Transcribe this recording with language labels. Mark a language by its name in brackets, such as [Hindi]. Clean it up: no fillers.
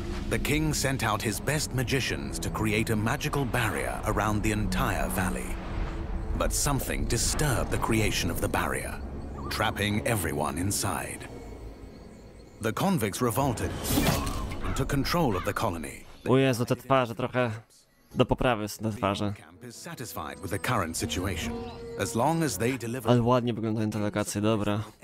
[English] The king sent out his best magicians to create a magical barrier around the entire valley. But something disturbed the creation of the barrier, trapping everyone inside. The convicts revolted and took control of the colony. [Polish] O Jezu, te twarze trochę do poprawy są te twarze. [English] Satisfied with the current situation. As long as they deliver. [Polish] Ale ładnie wyglądają te lokacje, dobra.